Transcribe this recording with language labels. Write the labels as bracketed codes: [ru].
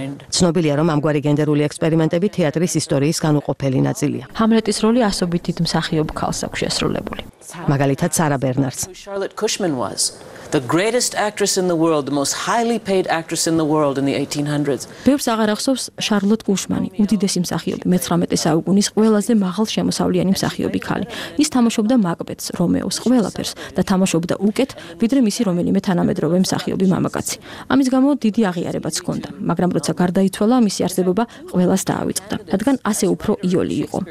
[ka] ცნობილია, რომ ამგვარი გენდერული ექსპერიმენტები თეატრის ისტორიის განუყოფელი ნაწილია. ჰამლეტის როლი ასობით დიდ მსახიობ ქალს აქვს შესრულებული. Magalita Sara Bernards. [en] Charlotte Cushman was the greatest actress in the world, the most highly paid actress in the world in the 1800s. [ka] ბევრს აღარ ახსოვს შარლოტ კუშმანი, უდიდესი მსახიობი, მე-19 საუკუნის ყველაზე მაღალ შემოსავლიანი მსახიობი ქალი. ის თამაშობდა მაკბეთს, რომეოს, ყველაფერს და თამაშობდა უკეთ, ვიდრე მისი რომელიმე თანამედროვე მსახიობი მამაკაცი. ამის გამო დიდი აღიარებაც ჰქონდა, მაგრამ როცა გარდაიცვალა, მისი არსებობა ყველას დაავიწყდა, რადგან ასე უფრო იოლი იყო.